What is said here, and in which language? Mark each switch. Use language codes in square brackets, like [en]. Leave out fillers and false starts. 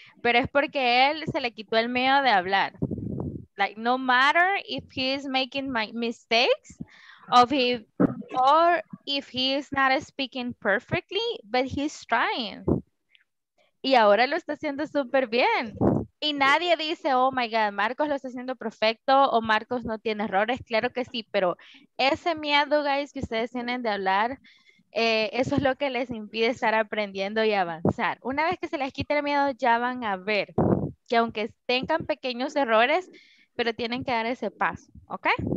[es] Pero es porque él se le quitó el miedo de hablar. [en] Like, no matter if he is making mistakes or if he is not speaking perfectly, but he's trying. [es] Y ahora lo está haciendo súper bien. Y nadie dice, [en] oh my God, [es] Marcos lo está haciendo perfecto o Marcos no tiene errores. Claro que sí, pero ese miedo, guys, que ustedes tienen de hablar, eso es lo que les impide estar aprendiendo y avanzar. Una vez que se les quite el miedo, ya van a ver que aunque tengan pequeños errores, pero tienen que dar ese paso, ¿ok?